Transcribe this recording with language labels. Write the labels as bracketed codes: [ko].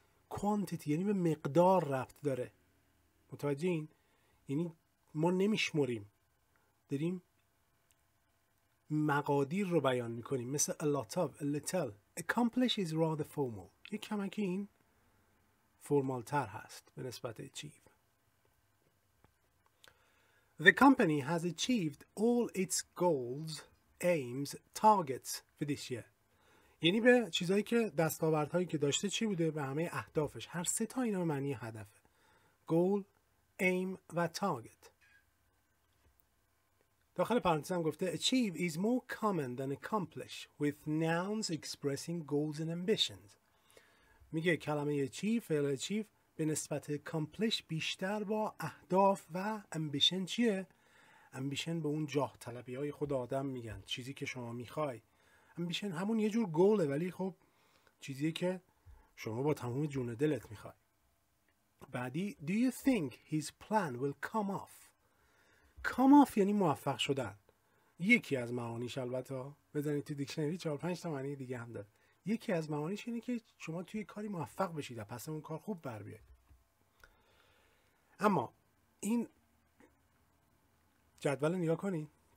[fa] quantity یعنی به مقدار ربط داره. متوجه این؟ یعنی ما نمیشموریم. داریم مقادیر رو بیان میکنیم. مثل [en] a lot of, a little. accomplish is rather formal. [fa] یک کمکی این فرمال تر هست به نسبت achieve. [en] The company has achieved all its goals, aims, targets for this year. [fa] یعنی به چیزایی که دستاوردهایی که داشته چی بوده؟ به همه اهدافش. هر سه تا اینا معنی هدفه. [en] Goal, aim [fa] و target. داخل پرانتز هم گفته [en] achieve is more common than accomplish with nouns expressing goals and ambitions. [fa] میگه کلمه achieve، فعل achieve به نسبت accomplish بیشتر با اهداف و ambition چیه؟ امبیشن به اون جاه طلبی های خود آدم میگن، چیزی که شما میخوای. امبیشن همون یه جور گوله، ولی خب چیزی که شما با تمام جون دلت میخوای. بعدی [en] Do you think his plan will come off? [fa] Come off یعنی موفق شدن. یکی از معانیش، البته بزنید تو دیکشنری 4-5 تا معنی دیگه هم داره. یکی از معانیش اینه که شما توی کاری موفق بشید و پس اون کار خوب بر بیاید. اما این جدول نگاه کنید.